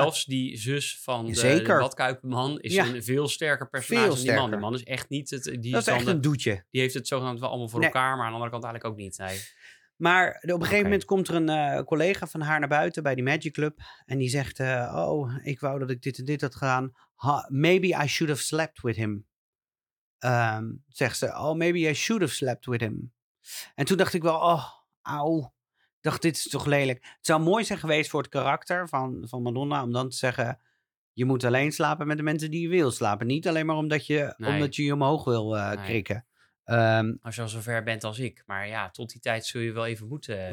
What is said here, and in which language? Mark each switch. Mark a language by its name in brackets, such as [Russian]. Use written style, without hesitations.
[Dutch] Zelfs die zus van de Radkuipman is een veel sterker personage veel sterker. Dan die man. De man is echt niet... Een doetje. Die heeft het zogenaamd wel allemaal voor elkaar, maar aan de andere kant eigenlijk ook niet. Nee. Maar op een gegeven moment komt er een collega van haar naar buiten bij die Magic Club. En die zegt, ik wou dat ik dit en dit had gedaan. [English] Maybe I should have slept with him. [Dutch] Zegt ze, [English] maybe I should have slept with him. [Dutch] En toen dacht ik wel, dit is toch lelijk. Het zou mooi zijn geweest voor het karakter van Madonna om dan te zeggen, je moet alleen slapen met de mensen die je wil slapen. Niet alleen maar omdat je omhoog wil krikken. Als je al zover bent als ik. Maar ja, tot die tijd zul je wel even moeten.